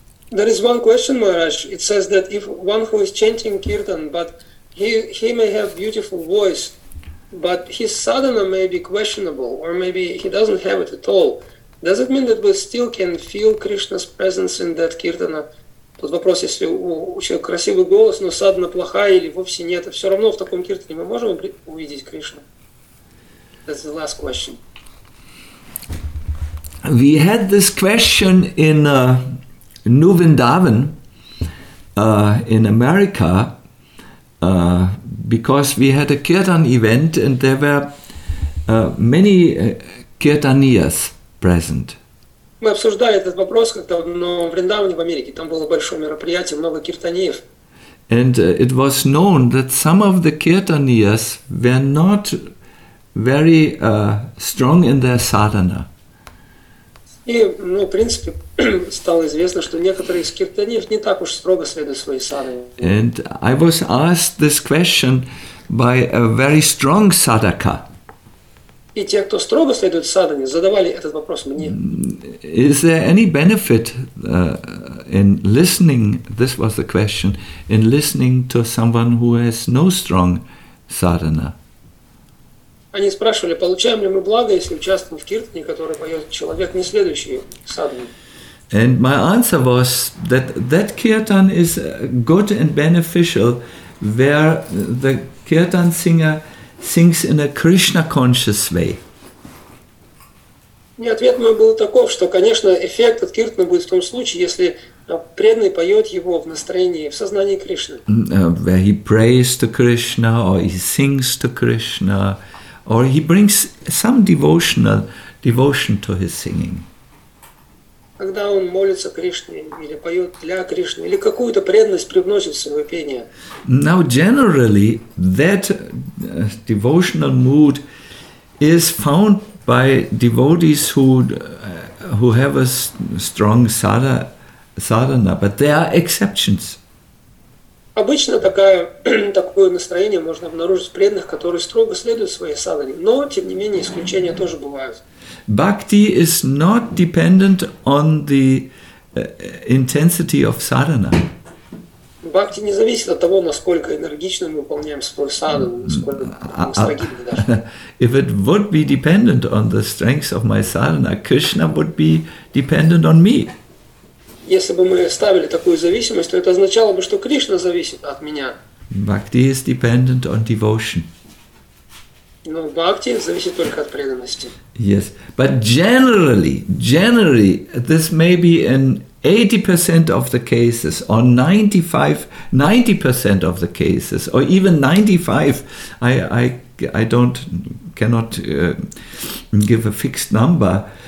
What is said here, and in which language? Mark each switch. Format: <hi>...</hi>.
<en>There is one question, Maharaj. It says that if one who is chanting kirtan, but he may have beautiful voice, but his sadhana may be questionable, or maybe he doesn't have it at all, does it mean that we still can feel Krishna's presence in that kirtana?</en> <ru>Тут вопрос, если у человека красивый голос, но садхана плохая или вовсе нет, все равно в таком киртане мы можем увидеть Кришну?</ru> <en>That's the last question. We had this question in New Vrindavan in America because we had a kirtan event and there were many kirtaniyas present.</en> <ru>Мы обсуждали этот вопрос как-то в Вриндаване в Америке. Там было большое мероприятие, много киртаниев.</ru> <en>And it was known that some of the kirtaniyas were not very strong in their sadhana.</en> <ru>И, ну, в принципе, стало известно, что некоторые из киртаниев не так уж строго следуют своей садхане.</ru> <en>And I was asked this question by a very strong sadhaka.</en> <ru>И те, кто строго следует садхане, задавали этот вопрос мне.</ru> <en>Is there any benefit in listening, this was the question, in listening to someone who has no strong sadhana?</en> <ru>Они спрашивали, получаем ли мы благо, если участвуем в киртане, который поет человек, не следующий садхане.</ru> <en>And my answer was that that kirtan is good and beneficial where the kirtan singer sings in a Krishna-conscious way.</en> <ru>И ответ мой был таков, что, конечно, эффект от киртана будет в том случае, если преданный поет его в настроении, в сознании Кришны.</ru> <en>Where he prays to Krishna, or he sings to Krishna, or he brings some devotion to his singing.</en> <ru>Когда он молится Кришне, или поет для Кришны, или какую-то преданность привносит в свое пение.</ru> <en>Now, generally, that devotional mood is found by devotees who have a strong sadhana, but there are exceptions.</en> <ru>Обычно такое настроение можно обнаружить в преданных, которые строго следуют своей садхане, но тем не менее исключения тоже бывают.</ru> <en>Bhakti is not dependent on the intensity of sadhana.</en> <ru>Бхакти не зависит от того, насколько энергично мы выполняем свой садхану, насколько мы даже.</ru> <en>If it would be dependent on the strength of my sadhana, Krishna would be dependent on me.</en> <ru>Если бы мы ставили такую зависимость, то это означало бы, что Кришна зависит от меня.</ru> <en>Bhakti is dependent on devotion.</en> <ru>Ну, бхакти зависит только от преданности.</ru> <en>Yes, but generally, this may be an 80% of the cases, or 90% of the cases, or even 95. I cannot give a fixed number.</en>